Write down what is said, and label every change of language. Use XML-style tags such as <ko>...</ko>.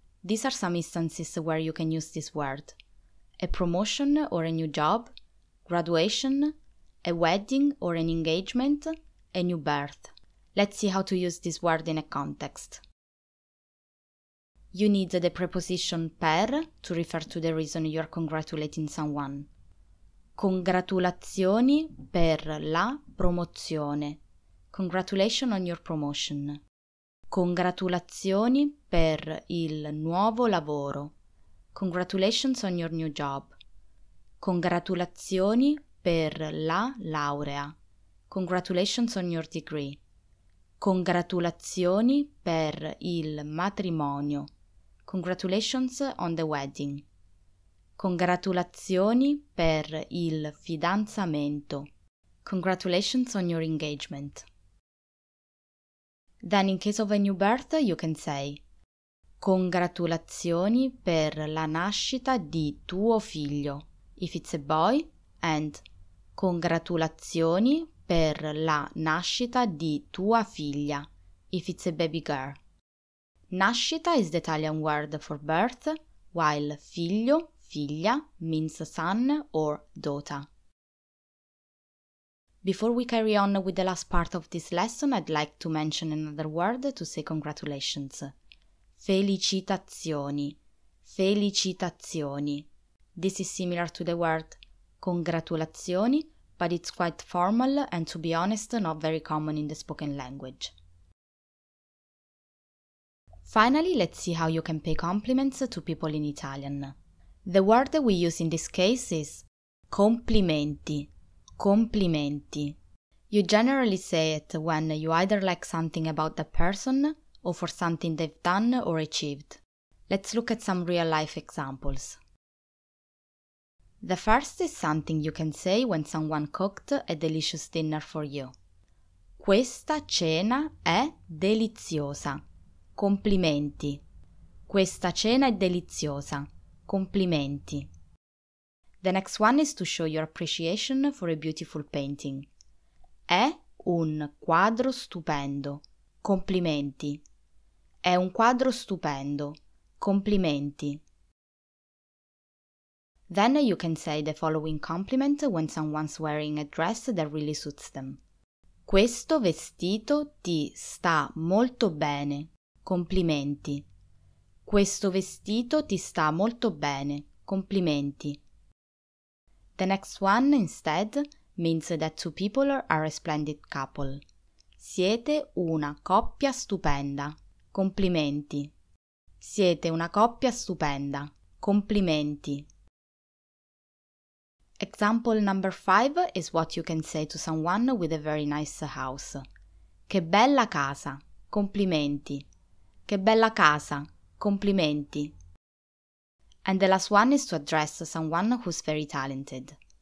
<en>These are some instances where you can use this word. A promotion or a new job, graduation, a wedding or an engagement, a new birth. Let's see how to use this word in a context. You need the preposition per to refer to the reason you're congratulating someone.</en> <it>Congratulazioni per la promozione.</it> <en>Congratulations on your promotion.</en> <it>Congratulazioni per il nuovo lavoro.</it> <en>Congratulations on your new job.</en> <it>Congratulazioni per la laurea.</it> <en>Congratulations on your degree.</en> <it>Congratulazioni per il matrimonio.</it> <en>Congratulations on the wedding.</en> <it>Congratulazioni per il fidanzamento.</it> <en>Congratulations on your engagement. Then in case of a new birth, you can say</en> <it>congratulazioni per la nascita di tuo figlio,</it> <en>if it's a boy, and</en> <it>congratulazioni per la nascita di tua figlia,</it> <en>if it's a baby girl. Nascita is the Italian word for birth, while figlio figlia means son or daughter. Before we carry on with the last part of this lesson, I'd like to mention another word to say congratulations.</en> <it>Felicitazioni. Felicitazioni.</it> <en>This is similar to the word congratulazioni, but it's quite formal and to be honest, not very common in the spoken language. Finally, let's see how you can pay compliments to people in Italian. The word we use in this case is complimenti, complimenti. You generally say it when you either like something about the person or for something they've done or achieved. Let's look at some real-life examples. The first is something you can say when someone cooked a delicious dinner for you.</en> <it>Questa cena è deliziosa. Complimenti. Questa cena è deliziosa. Complimenti.</it> <en>The next one is to show your appreciation for a beautiful painting.</en> <it>È un quadro stupendo. Complimenti. È un quadro stupendo. Complimenti.</it> <en>Then you can say the following compliment when someone's wearing a dress that really suits them.</en> <it>Questo vestito ti sta molto bene. Complimenti. Questo vestito ti sta molto bene. Complimenti.</it> <en>The next one, instead, means that two people are a splendid couple.</en> <it>Siete una coppia stupenda. Complimenti. Siete una coppia stupenda. Complimenti.</it> <en>Example number 5 is what you can say to someone with a very nice house.</en> <it>Che bella casa. Complimenti. Che bella casa. Complimenti.</it> <en>And the last one is to address someone who's very talented.</en>